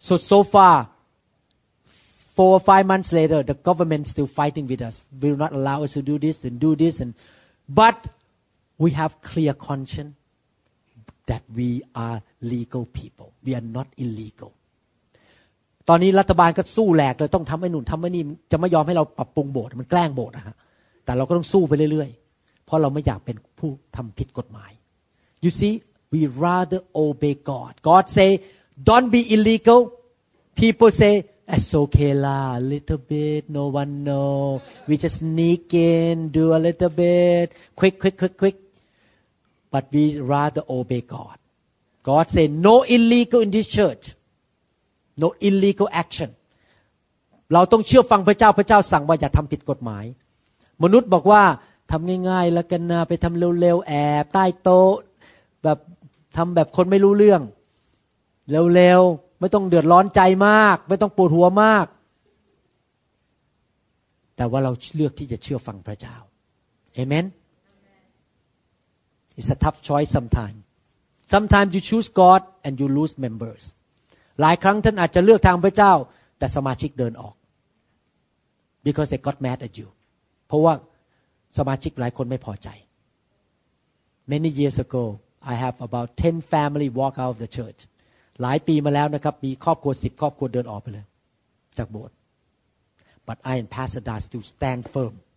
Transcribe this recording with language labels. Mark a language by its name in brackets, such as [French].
[English] so far 4-5 months later the government still fighting with us will not allow us to do this and do this and but we have clear conscience that we are legal people we are not illegal [Thai] ตอนนี้รัฐบาลก็สู้แหลกเลยต้องทำไอ้หนุนทำไอ้นี่จะไม่ยอมให้เราปรับปรุงโบสถ์มันแกล้งโบสถ์นะฮะแต่เราก็ต้องสู้ไปเรื่อยๆเพราะเราไม่อยากเป็นผู้ทำผิดกฎหมาย [English] You see, we rather obey God. God say, don't be illegal. People say, it's okay lah, a little bit, no one know. We just sneak in, do a little bit, quick. But we rather obey God. God say, no illegal in this church. No illegal action. [Thai] เราต้องเชื่อฟังพระเจ้าพระเจ้าสั่งว่าอย่าทำผิดกฎหมายมนุษย์บอกว่าทำง่ายๆแล้วกันนะไปทำเร็วๆแอบใต้โต๊ะแบบทำแบบคนไม่รู้เรื่องเร็วๆไม่ต้องเดือดร้อนใจมากไม่ต้องปวดหัวมากแต่ว่าเราเลือกที่จะเชื่อฟังพระเจ้า [English] Amen. It's a tough choice sometimes. Sometimes you choose God and you lose members. [Thai] หลายครั้งท่านอาจจะเลือกทางพระเจ้าแต่สมาชิกเดินออก [English] because they got mad at you. [Thai] เพราะว่าสมาชิกหลายคนไม่พอใจ [English] Many years ago, I have about 10 family walk out of the church. [Thai] หลายปีมาแล้วนะครับมีครอบครัว10ครอบครัวเดินออกไปเลยจากโบสถ์ [English] But I and Pastor Da still stand firm.